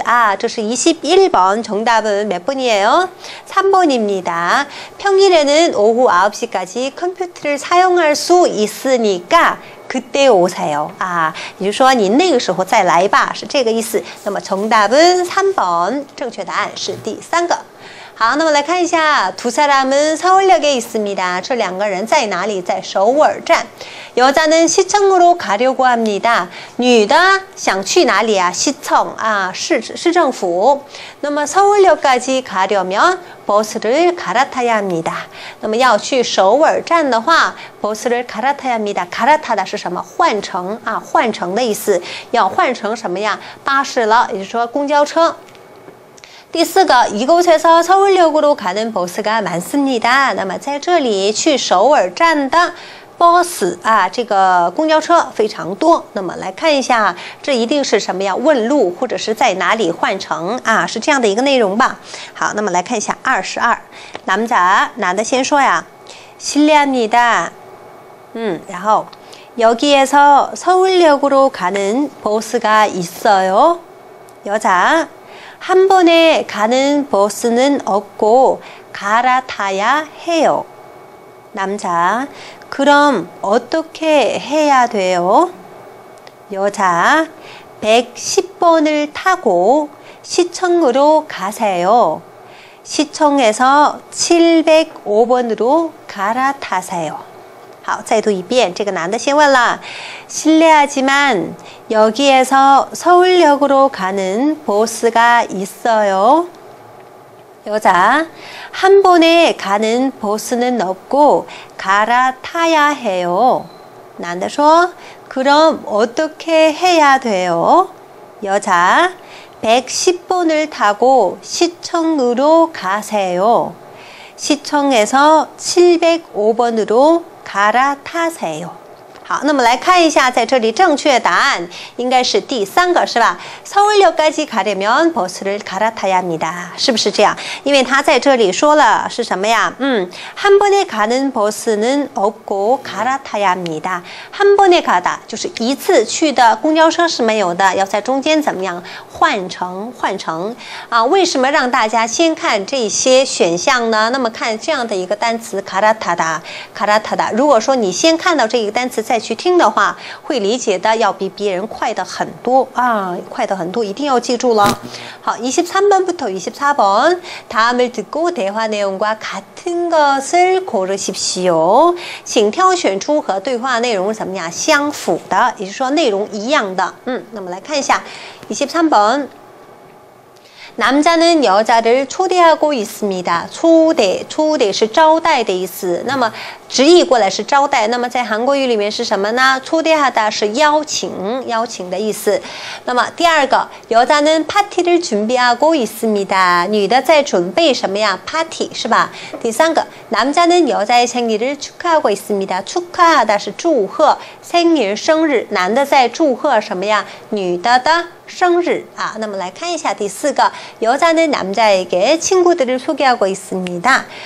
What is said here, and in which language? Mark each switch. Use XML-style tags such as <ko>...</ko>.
<zh>那么在这里正确答案应该是,这是21번</zh> <ko>정답은 몇 번이에요? 3번입니다. 평일에는 오후 9시까지 컴퓨터를 사용할 수 있으니까 그때 오세요.</ko> <zh>아, 也就是说您那个时候再来吧,是这个意思。那么</zh> <ko>정답은 3번,</ko> <zh>正确答案是第三个。好,那么来看一下,</zh> <ko>두 사람은 서울역에 있습니다.</ko> <zh>这两个人在哪里?在首尔站。</zh> <ko>여자는 시청으로 가려고 합니다.</ko> <zh>女的想去哪里啊?시청, 아, 시政府。</zh> <ko>那么서울역까지 가려면 버스를 갈아타야 합니다.</ko> <zh>那么要去首尔站的话,</zh> <ko>버스를 갈아타야 합니다.</ko> <zh>갈아타다是什么? 换乘, 아, 换乘的意思。 要换乘什么呀? 巴士了, 也就是说公交车。第四个,</zh> <ko>이곳에서 서울역으로 가는 버스가 많습니다.</ko> <zh>那么在这里去首尔站的 버스,这个公交车非常多。那么来看一下,这一定是什么呀?问路,或者是在哪里换乘,是这样的一个内容吧。好,那么来看一下22。男的先说呀,</zh> <ko>실례합니다. 然后, 여기에서 서울역으로 가는 버스가 있어요? 여자, 한 번에 가는 버스는 없고 갈아타야 해요. 남자, 그럼 어떻게 해야 돼요? 여자, 110번을 타고 시청으로 가세요. 시청에서 705번으로 갈아타세요.</ko> <zh>好,再读一遍,这个男的先问了,</zh> <ko>실례하지만 여기에서 서울역으로 가는 버스가 있어요? 여자, 한 번에 가는 버스는 없고 갈아타야 해요.</ko> <zh>男的说,</zh> <ko>그럼 어떻게 해야 돼요? 여자, 110번을 타고 시청으로 가세요. 시청에서 705번으로 갈아타세요.</ko> <zh>好,那么来看一下在这里正确答案,应该是第三个,是吧?</zh> <ko>서울역까지 가려면 버스를 갈아타야 합니다,</ko> <zh>是不是这样? 因为他在这里说了,是什么呀?</zh> <ko>한 번에 가는 버스는 없고 갈아타야 합니다. 한 번에 가다,</ko> <zh>就是一次去的公交车是没有的,要在中间怎么样,换乘,换乘。为什么让大家先看这些选项呢? 那么看这样的一个单词, 갈아타다, 갈아타다. 如果说你先看到这个单词再去听的话, 会理解的要比别人快的很多,一定要记住了。好,</zh> <ko>23번부터 24번, 다음을 듣고 대화 내용과 같은 것을 고르십시오.</ko> <zh>请挑选出和对话内容怎么样,相符的,也就是说内容一样的。那么来看一下,23번,</zh> <ko>남자는 여자를 초대하고 있습니다.</ko> <zh>초대, 초대是招待的意思。那么直译过来是招待。那么在韩国语里面是什么呢？ 초대하다是邀请，邀请的意思。那么第二个，</zh> <ko>여자는 파티를 준비하고 있습니다.</ko> <zh>女的在准备什么呀？파티是吧？第三个，</zh> <ko>남자는 여자의 생일을 축하하고 있습니다.</ko> <zh>축하하다是祝贺， 생일生日， 男的在祝贺什么呀？女的的 生日啊，那么来看一下第四个，</zh> <ko>여자는 남자에게 친구들을 소개하고 있습니다.</ko>